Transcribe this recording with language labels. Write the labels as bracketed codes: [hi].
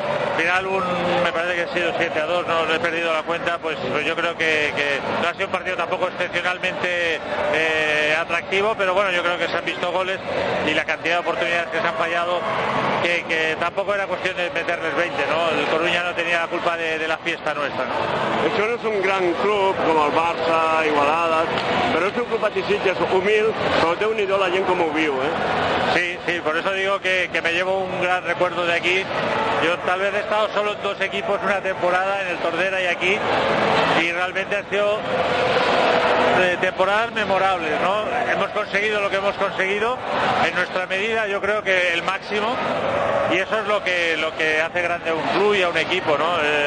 [es] Al final me parece que ha sido 7-2, no he perdido la cuenta, pues yo creo que no ha sido un partido tampoco excepcionalmente atractivo, pero bueno, yo creo que se han visto goles y la cantidad de oportunidades que se han fallado, que tampoco era cuestión de meterles 20, ¿no? El Coruña no tenía la culpa de la fiesta nuestra, ¿no? [ca] Això no és un gran club com el Barça, Igualada, però és un club petit, és humil, però déu-n'hi-do la gent com ho viu, [es] Sí, sí, por eso digo que me llevo un gran recuerdo de aquí. Yo tal vez he estado solo en dos equipos una temporada, en el Tordera y aquí, y realmente ha sido temporadas memorables, ¿no? Hemos conseguido lo que hemos conseguido, en nuestra medida yo creo que el máximo, y eso es lo que hace grande a un club y a un equipo, ¿no?